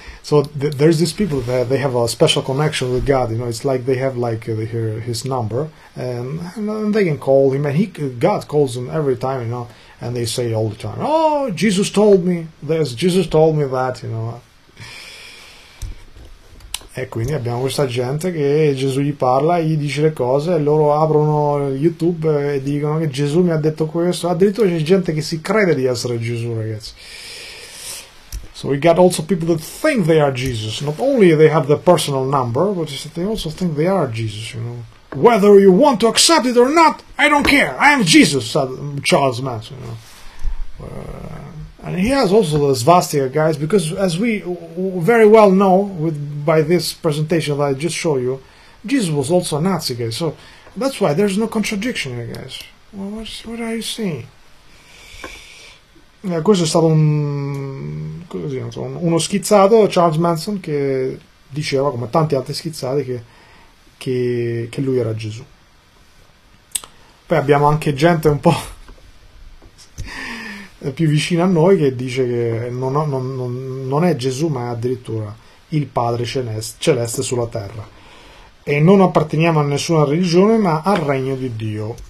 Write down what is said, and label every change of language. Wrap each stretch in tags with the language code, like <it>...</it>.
<en>So there's these people that they have a special connection with God, you know, it's like they have like his number, and they can call him, and God calls them every time, you know, and they say all the time, oh, Jesus told me this, Jesus told me that, you know.</en> <it>E quindi abbiamo questa gente che Gesù gli parla, gli dice le cose, e loro aprono YouTube e dicono che Gesù mi ha detto questo. Addirittura c'è gente che si crede di essere Gesù, ragazzi.</it> <en>So we got also people that think they are Jesus. Not only they have the personal number, but they also think they are Jesus, you know. Whether you want to accept it or not, I don't care. I am Jesus, said Charles Manson, you know. And he has also the swastika, guys, because as we very well know by this presentation that I just showed you, Jesus was also a Nazi, guys. So that's why there's no contradiction here, guys. Well, what are you saying?</en> <it>Questo è stato uno schizzato, Charles Manson, che diceva, come tanti altri schizzati, che lui era Gesù. Poi abbiamo anche gente un po' più vicino a noi che dice che non è Gesù, ma è addirittura il Padre celeste sulla terra, e non apparteniamo a nessuna religione ma al regno di Dio.</it>